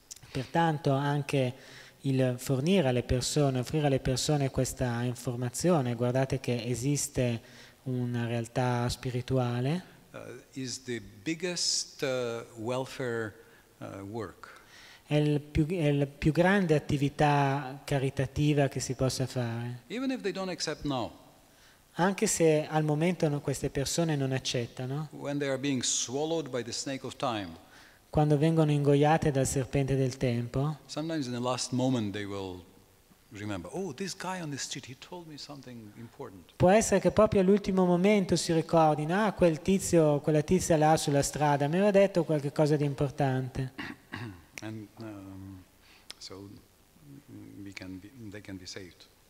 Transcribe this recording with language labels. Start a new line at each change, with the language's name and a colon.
Italian: Pertanto anche il fornire alle persone, offrire alle persone questa informazione, guardate che esiste una realtà spirituale,
English: is the biggest welfare work.
Italian: È il più grande attività caritativa che si possa fare.
English: Even if they don't accept no.
Italian: Anche se al momento queste persone non accettano.
English: When they are being swallowed by the snake of time.
Italian: Quando vengono ingoiate dal serpente del tempo.
English: Sometimes in the last moment they will remember, oh, this guy on the street, he told me something important.
Italian: Può essere che proprio all'ultimo momento si ricordino, ah, quel tizio, quella tizia là sulla strada mi aveva detto qualche cosa di importante.
English: And so we can be, they can be saved.